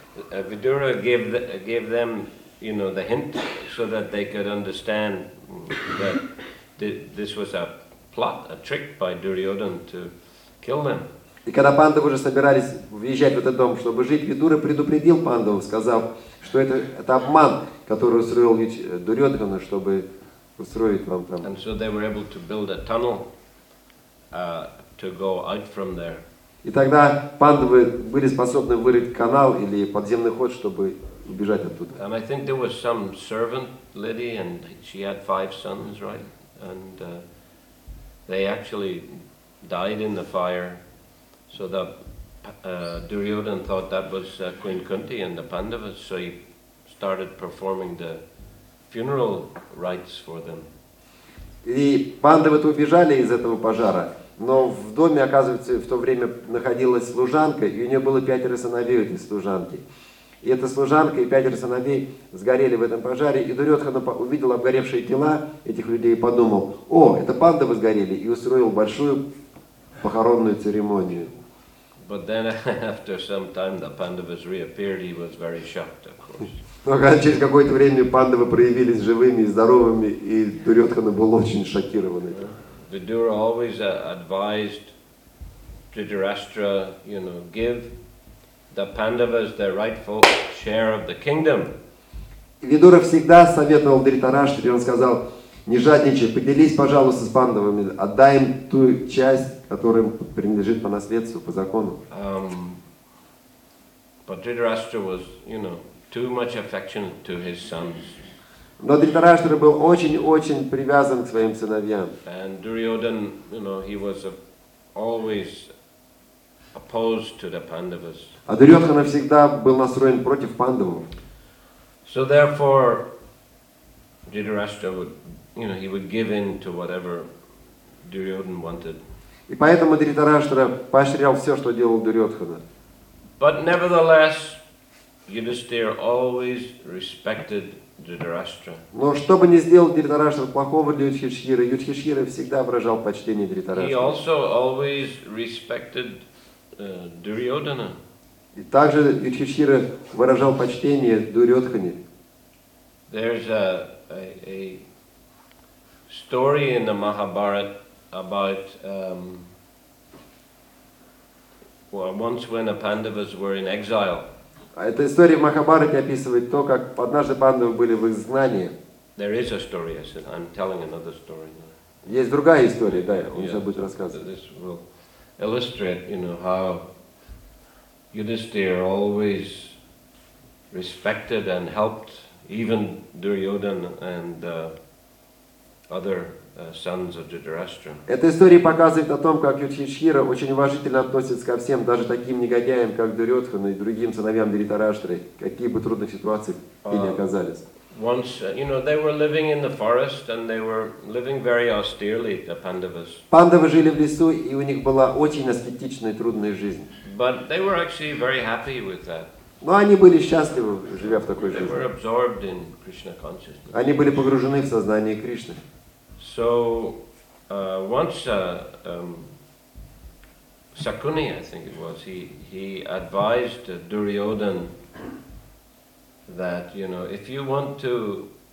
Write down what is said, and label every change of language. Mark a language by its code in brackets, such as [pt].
[en] Vidura gave them, you know, the hint so that they could understand that this was a plot, a trick by Duryodhan to kill them. [ru] И когда пандавы уже собирались въезжать в этот дом, чтобы жить, Видура предупредил пандавов, сказал, что это обман, который устроил Дурьодхана, чтобы устроить вам там. [en] And so they were able to build a tunnel to go out from there. [ru] И тогда пандавы были способны вырыть канал или подземный ход, чтобы убежать оттуда. [en] And I think there was some servant lady, and she had 5 sons, right? And they actually died in the fire. So the Duryodhan thought that was Queen Kunti and the Pandavas, so he started performing the funeral rites for them. [ru] И пандавы-то убежали из этого пожара, но в доме, оказывается, в то время находилась служанка, и у нее было 5 сыновей у этой служанки. И эта служанка и 5 сыновей сгорели в этом пожаре, и Дурьодхана увидел обгоревшие тела этих людей и подумал: «О, это пандавы сгорели!» и устроил большую похоронную церемонию. [en] But then, after some time, the Pandavas reappeared. He was very shocked, of course. [ru] Но когда через какое-то время пандавы проявились живыми и здоровыми, и Дурьодхана был очень шокирован этим. [en] Vidura always advised Dhritarashtra, you know, give the Pandavas their rightful share of the kingdom. [ru] Vidura всегда советовал Дхритараштре, он сказал: не жадничай, поделись, пожалуйста, с пандавами, отдай им ту часть, которая им принадлежит по наследству, по закону. [en] But Dhritarashtra was, you know, too much affectionate to his sons. [ru] Но Dhritarashtra был очень-очень привязан к своим сыновьям. [en] And Duryodhan, you know, he was always opposed to the Pandavas. [ru] А Дурьодхана всегда был настроен против пандавов. [en] So therefore, Dhritarashtra would, you know, he would give in to whatever Duryodhan wanted. [ru] И поэтому Дхритарашта поощрял все, что делал Дурьодхана. [en] But nevertheless, Yudhishthira always respected Dhritarashtra. [ru] Но что бы ни сделал Дхритарашта плохого для Юдхиштхиры, Юдхиштхира всегда выражал почтение Дхритарашта. [en] He also always respected Duryodhana. [ru] И также Юдхиштхира выражал почтение Дурьодхане. [en] There's a story in the Mahabharata about once when the Pandavas were in exile. [ru] Эта история в Махабхарате описывает то, как однажды пандавы были в изгнании. [en] There is a story. I said, I'm telling another story now. [ru] Есть другая история, да, он сейчас будет рассказывать. [en] This will illustrate, you know, how Yudhishthira always respected and helped even Duryodhan and other sons of Dhritarashtra. [ru] Эта история показывает о том, как Юдхиштхира очень уважительно относится ко всем, даже таким негодяям, как Дурьодхана и другим сыновьям Дхритараштры, какие бы трудных ситуациях и не оказались. [en] Once, you know, they were living in the forest and they were living very austerely, the Pandavas. [ru] Пандавы жили в лесу, и у них была очень аскетичная и трудная жизнь. [en] But they were actually very happy with that. [ru] Но они были счастливы, живя в такой жизни. [en] They were absorbed in Krishna consciousness. [ru] Они были погружены в сознание Кришны. [en] So once Shakuni, I think it was, he advised Duryodhan that, you know, if you want to